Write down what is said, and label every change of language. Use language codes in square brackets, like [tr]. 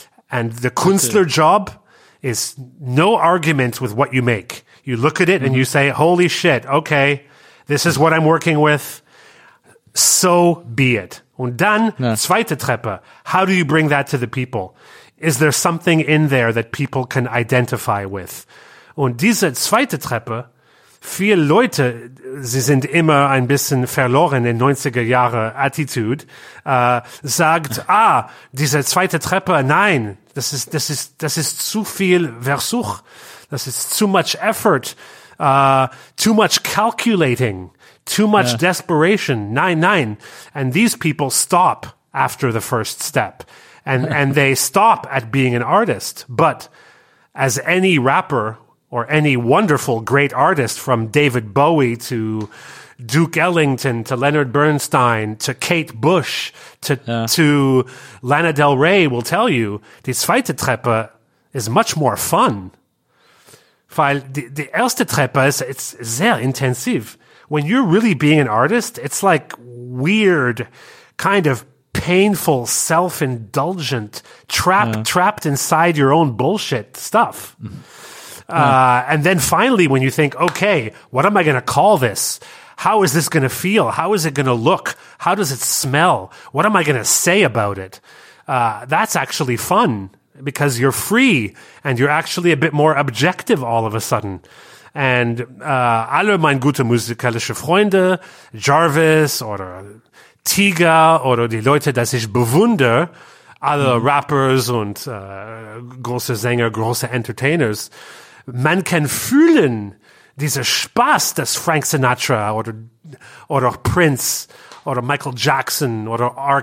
[en] And the Künstler job is no argument with what you make. You look at it and you say, holy shit, okay, this is what I'm working with. So be it. [de] Und dann, zweite Treppe, [en] how do you bring that to the people? Is there something in there that people can identify with? [de] Und diese zweite Treppe, viele Leute, sie sind immer ein bisschen verloren in 90er Jahre Attitude, sagt, diese zweite Treppe, nein, das ist zu viel Versuch. Das ist [en] too much effort, too much calculating, too much desperation. Nein. And these people stop after the first step. And they stop at being an artist. But as any rapper or any wonderful great artist from David Bowie to Duke Ellington to Leonard Bernstein to Kate Bush to Lana Del Rey will tell you, [de] die zweite Treppe [en] is much more fun. [de] Weil die erste Treppe ist, [en] it's [de] sehr intensiv. [en] When you're really being an artist, it's like weird, kind of painful, self-indulgent, trapped inside your own bullshit stuff. And then finally, when you think, okay, what am I going to call this? How is this going to feel? How is it going to look? How does it smell? What am I going to say about it? That's actually fun because you're free and you're actually a bit more objective all of a sudden. [de] And alle meine gute musikalische Freunde, Jarvis oder Tiga oder die Leute, dass ich bewundere, alle Rappers und große Sänger, große Entertainers, man kann fühlen diesen Spaß, dass Frank Sinatra oder Prince oder Michael Jackson oder R.